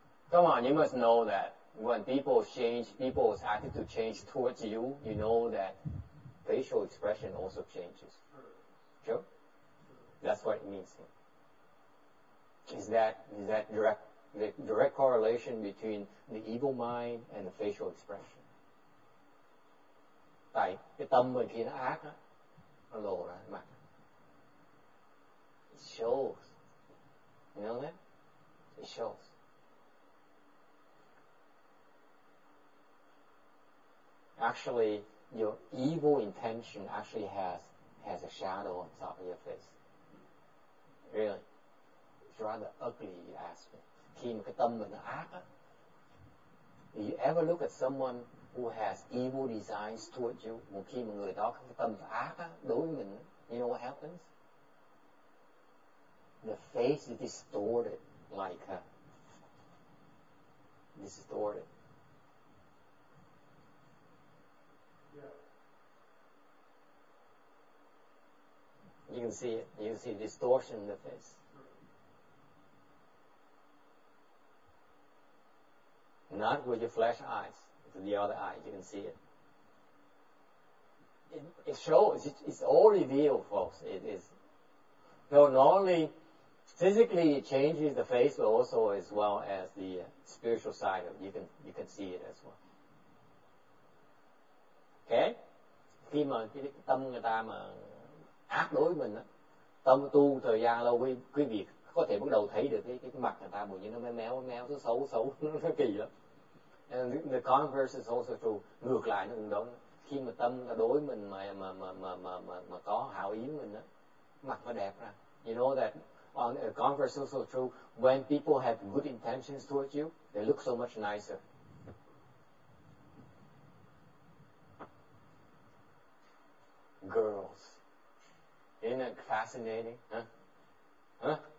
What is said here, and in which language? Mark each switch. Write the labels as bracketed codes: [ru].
[en] Come on, you must know that when people change, people's attitude change towards you, you know that facial expression also changes. True? That's what it means. Is that the direct correlation between the evil mind and the facial expression? [vi] Tại cái tâm mình khi nó ác á, nó lộ ra mặt. [en] It shows. You know that? It shows. Actually, your evil intention actually has a shadow on top of your face. Really. It's rather ugly, you ask me. [vi] Khi mà cái tâm mình nó ác á, [en] do you ever look at someone who has evil designs towards you? [vi] Một khi mà người đó có cái tâm ác á, đối với mình, [en] you know what happens? The face is distorted, like a distorted. You can see it. You can see distortion in the face. Not with your flesh eyes. With the other eye, you can see it. It shows. It's all revealed, folks. It is. So not only physically it changes the face, but also as well as the spiritual side of it. You can see it as well. Okay? [vi] Khi mà tâm người ta mà ác đối với mình á, tâm tu thời gian lâu quý vị có thể bắt đầu thấy được cái mặt người ta buồn như nó méo nó xấu nó kỳ lắm. [en] And the converse is also true. [vi] Ngược lại nó cũng đúng. Khi mà tâm ta đối với mình mà có hảo ý mình á, mặt nó đẹp ra. [en] You know that on the converse is also true. When people have good intentions towards you, they look so much nicer. Girls. Isn't it fascinating? Huh?